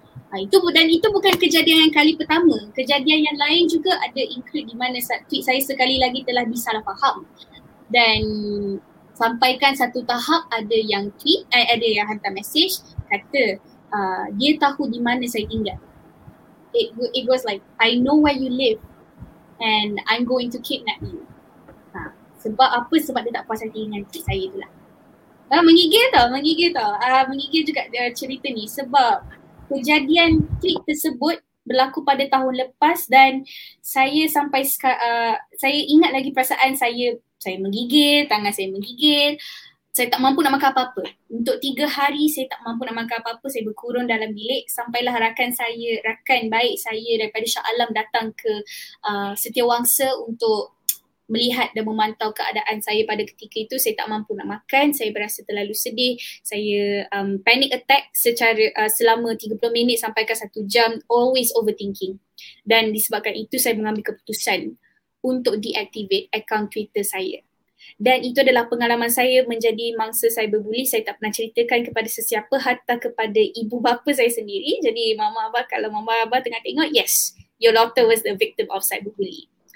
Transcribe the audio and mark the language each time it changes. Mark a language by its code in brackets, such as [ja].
[ms] Dan itu bukan kejadian yang kali pertama. Kejadian yang lain juga ada include di mana tweet saya sekali lagi telah disalahfaham. Dan sampaikan satu tahap ada yang tweet, ada yang hantar message kata dia tahu di mana saya tinggal. [en] It goes like, I know where you live and I'm going to kidnap you. [ms] Sebab apa? Sebab dia tak puas hati dengan tweet saya tu lah. Menggigil tau. Menggigil juga cerita ni sebab kejadian tweet tersebut berlaku pada tahun lepas dan saya sampai saya ingat lagi perasaan saya menggigil, tangan saya menggigil. Saya tak mampu nak makan apa-apa. Untuk 3 hari saya tak mampu nak makan apa-apa, saya berkurung dalam bilik. Sampailah rakan baik saya daripada Shah Alam datang ke Setiawangsa untuk melihat dan memantau keadaan saya pada ketika itu. Saya tak mampu nak makan, saya berasa terlalu sedih. Saya panic attack selama 30 minit sampai ke 1 jam, [en] always overthinking. [ms] Dan disebabkan itu saya mengambil keputusan untuk deactivate akaun Twitter saya. Dan itu adalah pengalaman saya menjadi mangsa cyberbully. Saya tak pernah ceritakan kepada sesiapa, hatta kepada ibu bapa saya sendiri. Jadi mama abah, kalau mama abah tengah tengok, [en] yes, your daughter was the victim of cyberbully.